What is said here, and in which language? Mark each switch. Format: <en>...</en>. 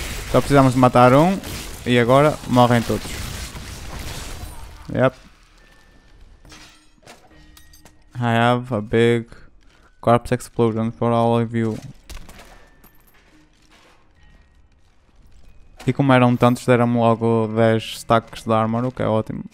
<pt>Só precisamos matar um e agora morrem todos.</pt> <en>Yep. I have a big corpse explosion for all of you.</en> <pt>E como eram tantos, deram-me logo 10 stacks de armor, o que é ótimo.</pt>